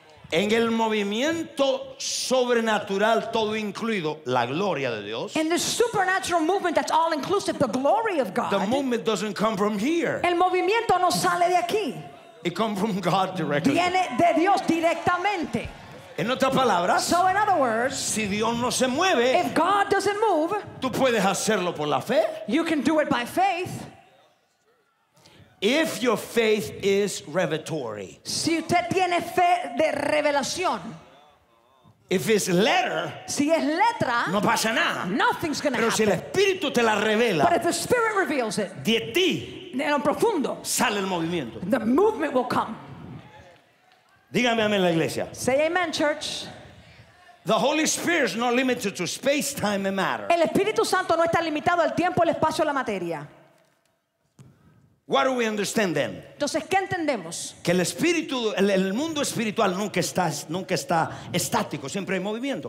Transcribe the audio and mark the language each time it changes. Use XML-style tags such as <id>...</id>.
<es>En el movimiento sobrenatural todo incluido, la gloria de Dios.</es> <en>In the supernatural movement that's all inclusive, the glory of God. The movement doesn't come from here.</en> <es>El movimiento no sale de aquí.</es> <en>It comes from God directly.</en> <es>Viene de Dios directamente. En otras palabras,</es> <en>so in other words,</en> <es>si Dios no se mueve,</es> <en>if God doesn't move,</en> <es>tú puedes hacerlo por la fe.</es> <en>You can do it by faith. If your faith is revelatory,</en> <es>si usted tiene fe de revelación,</es> <en>if it's letter,</en> <es>si es letra, no pasa nada.</es> <en>Nothing's gonna</en> <es>pero</es> <en>happen.</en> <es>Si el Espíritu te la revela,</es> <en>but if the Spirit reveals it,</en> <es>de ti, en lo profundo, sale el movimiento.</es> <en>The movement will come.</en> <es>Dígame amén la iglesia.</es> <en>Say amen, church. The Holy Spirit is not limited to space, time, and matter.</en> <es>El Espíritu Santo no está limitado al tiempo, al espacio, a la materia.</es> <en>What do we understand then?</en> <es>Entonces, ¿qué entendemos? Que el espíritu, el mundo espiritual nunca está estático, siempre hay movimiento.</es>